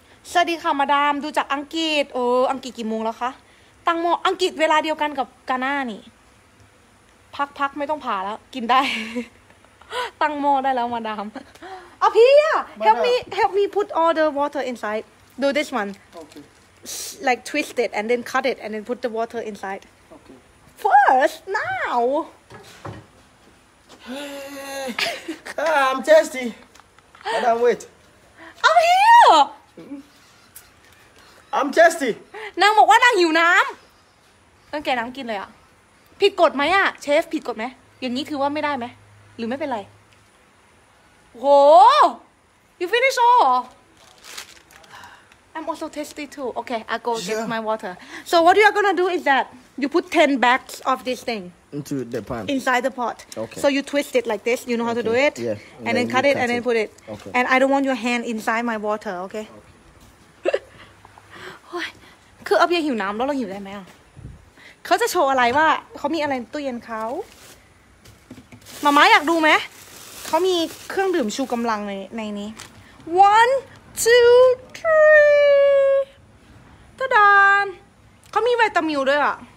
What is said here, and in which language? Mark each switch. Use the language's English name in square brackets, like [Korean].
[Thai] สวัสดีค่ะมาดามดูจากอังกฤษโอ้อังกฤษกี่โมงแล้วคะตังโมอังกฤษเวลาเดียวกันกับกาน่านี่พักไม่ต้องผ่าแล้วกินได้ตั้งหม้อได้แล้วมาดามเอาพี่อ่ะ [English] help me put all the water inside do this one okay. like twist it and then cut it and then put the water inside okay. first now I'm thirsty madam wait I'm here I'm thirsty [Thai] นางบอกว่านางหิวน้ำต้องแกน้ำกินเลยอ่ะผิดกฎไหมอ่ะเชฟผิดกฎไหมอย่างนี้คือว่าไม่ได้ไหมหรือไม่เป็นไรโห [English] you finish all I'm also thirsty too okay I go get my water so what you are gonna do is that you put 10 bags of this thing into the pan inside the pot okay so you twist it like this you know how okay. to do it yeah and then cut it and then put it okay and I don't want your hand inside my water okay [Thai] คืออภิเษกหิวน้ำแล้วเราหิวได้ไหมอ่ะเขาจะโชว์อะไรว่าเขามีอะไรตู้เย็นเขาหม่าม้าอยากดูไหมเขามีเครื่องดื่มชูกำลังในนี้ 1 2 3 ตะดานเขามีวิตามินด้วยอ่ะ